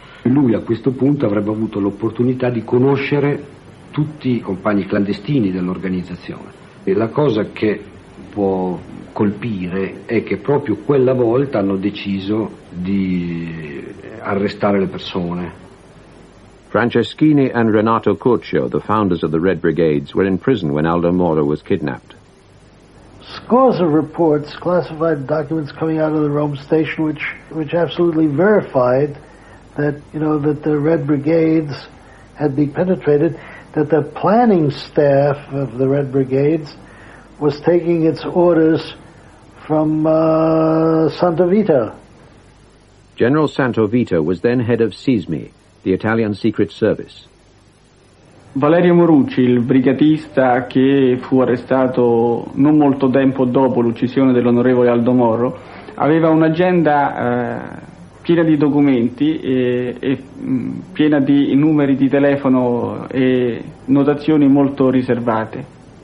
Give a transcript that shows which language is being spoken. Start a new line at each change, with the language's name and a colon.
Italian: Lui a questo punto avrebbe avuto l'opportunità di conoscere tutti i compagni clandestini dell'organizzazione. E la cosa che può colpire è che proprio quella volta hanno deciso di arrestare le persone.
English: Franceschini and Renato Curcio, the founders of the Red Brigades, were in prison when Aldo Moro was kidnapped. Scores of reports, classified documents coming out of the Rome station, which absolutely verified that, you know, that the Red Brigades had been penetrated, that the planning staff of the Red Brigades was taking its orders from Santovito. General Santovito was then head of SISMI, the Italian Secret Service.
Italian: Valerio Morucci, il brigatista che fu arrestato non molto tempo dopo l'uccisione dell'onorevole Aldo Moro, aveva un'agenda piena di documenti e piena di numeri di telefono e notazioni molto riservate.